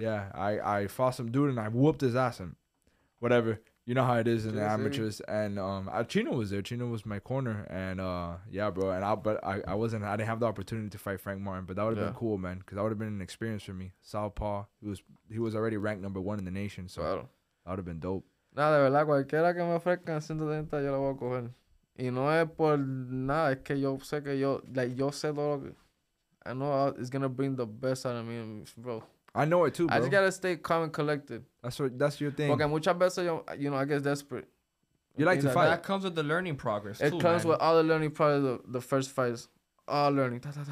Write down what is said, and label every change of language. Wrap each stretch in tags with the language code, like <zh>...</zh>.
<en>Yeah, I fought some dude and I whooped his ass and whatever. You know how it is in the amateurs. And Chino was there. Chino was my corner. And yeah, bro. But I didn't have the opportunity to fight Frank Martin. But that would have been cool, man. Because that would have been an experience for me. Southpaw. He was already ranked number one in the nation. So that would have been dope.</en> <es>No, de verdad. Cualquiera que me ofrezcan 130, yo la voy a coger. Y no es por nada. Es que yo sé que yo... Like, yo sé todo lo que...</es> <en>I know it's going to bring the best out of me, bro. I know it too, bro. I just gotta stay calm and collected. That's your thing. Okay, muchas veces, you know, I get desperate. You like to fight. That comes with the learning progress, too, with all the learning progress, the first fights. All learning.</en>